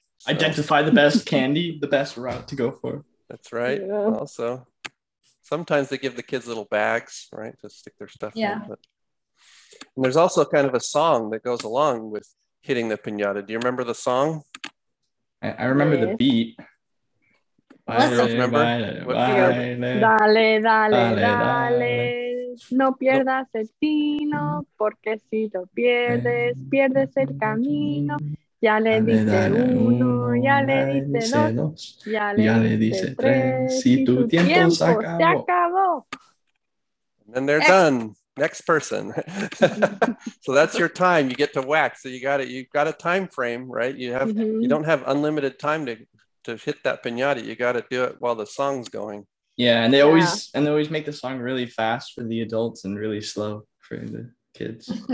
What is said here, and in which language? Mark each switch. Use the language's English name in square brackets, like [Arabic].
[English] So. Identify the best candy, the best route to go for. That's right. Yeah. Also, sometimes they give the kids little bags, right, to stick their stuff yeah. in. And there's also kind of a song that goes along with hitting the piñata. Do you remember the song? I remember yeah. the beat. [Spanish] Dale, no pierdas el tino, porque si lo pierdes, pierdes el camino. Ya le dice uno, ya le dice dos, ya le dice tres, si tu tiempo se acabó. [English] And then they're done. Next person. So that's your time. You get to whack. So you got it. You've got a time frame, right? You have. Mm-hmm. You don't have unlimited time to to hit that pinata, you got to do it while the song's going. Yeah, and they always and they always make the song really fast for the adults and really slow for the kids.